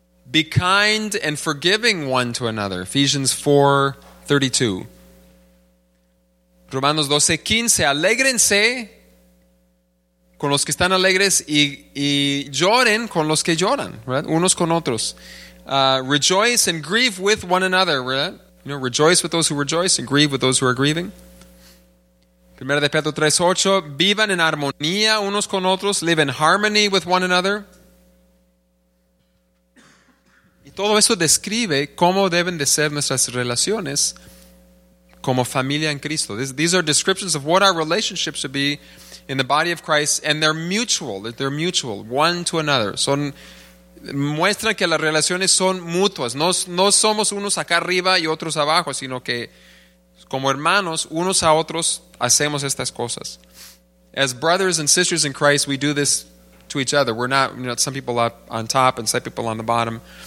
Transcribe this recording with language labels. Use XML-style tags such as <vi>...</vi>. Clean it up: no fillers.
<en>Be kind and forgiving one to another. Ephesians 4:32.</en> <es>Romanos 12:15, alégrense con los que están alegres y lloren con los que lloran, ¿verdad? Unos con otros.</es> <en>Rejoice and grieve with one another, ¿verdad? You know, rejoice with those who rejoice and grieve with those who are grieving.</en> <es>1 de Pedro 3:8, vivan en armonía unos con otros,</es> <en>live in harmony with one another.</en> <es>Y todo eso describe cómo deben de ser nuestras relaciones como familia en Cristo.</es> <en>These are descriptions of what our relationship should be in the body of Christ, and they're mutual, one to another.</en> <es>Son, muestran que las relaciones son mutuas. No somos unos acá arriba y otros abajo, sino que como hermanos, unos a otros, hacemos estas cosas.</es> <en>As brothers and sisters in Christ, we do this to each other. We're not, you know, some people up on top and some people on the bottom.</en>